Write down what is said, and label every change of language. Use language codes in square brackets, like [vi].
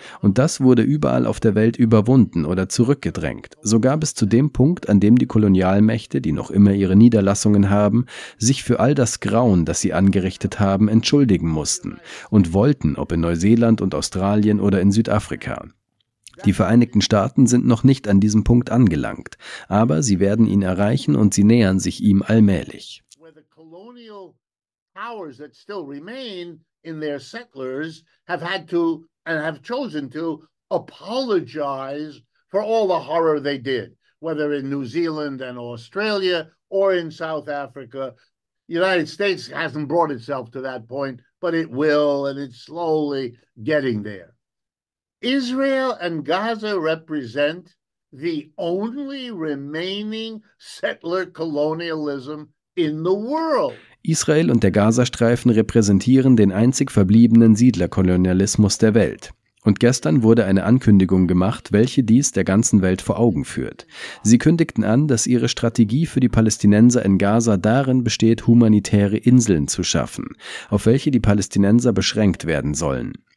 [de] Und das wurde überall auf der Welt überwunden oder zurückgedrängt, sogar bis zu dem Punkt, an dem die Kolonialmächte, die noch immer ihre Niederlassungen haben, sich für all das Grauen, das sie angerichtet haben, entschuldigen mussten und wollten, ob in Neuseeland und Australien oder in Südafrika. Die Vereinigten Staaten sind noch nicht an diesem Punkt angelangt, aber sie werden ihn erreichen und sie nähern sich ihm allmählich. [en] Where the colonial powers that still remain in their settlers have had to and have chosen to apologize for all the horror they did, whether in New Zealand and Australia or in South Africa. The United States hasn't brought itself to that point, but it will, and it's slowly getting there. Israel and Gaza represent the only remaining settler colonialism in the world. [de] Israel und der Gazastreifen repräsentieren den einzig verbliebenen Siedlerkolonialismus der Welt. Und gestern wurde eine Ankündigung gemacht, welche dies der ganzen Welt vor Augen führt. Sie kündigten an, dass ihre Strategie für die Palästinenser in Gaza darin besteht, humanitäre Inseln zu schaffen, auf welche die Palästinenser beschränkt werden sollen.